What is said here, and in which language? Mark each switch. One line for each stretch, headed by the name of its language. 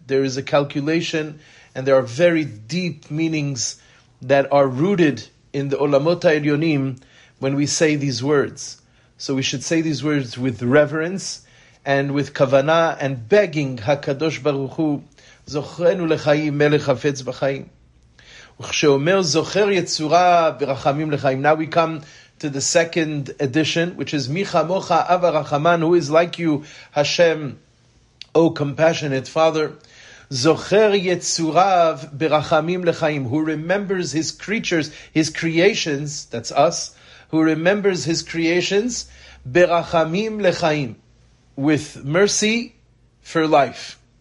English: There is a calculation, and there are very deep meanings that are rooted in the Olamot HaElyonim when we say these words. So we should say these words with reverence and with kavanah and begging HaKadosh Baruch Hu,
Hebrew: Zochrenu Lechayim Melech Hafetz B'Chayim. וכשאומר זוכר יצורה ברחמים לחיים.
English: Now we come to the second edition, which is
Hebrew: מי חמוך אב הרחמן,
English: who is like you, Hashem, O compassionate Father.
Hebrew: זוכר יצוריו ברחמים לחיים,
English: who remembers his creatures, his creations, that's us, who remembers his creations,
Hebrew: ברחמים לחיים,
English: with mercy for life.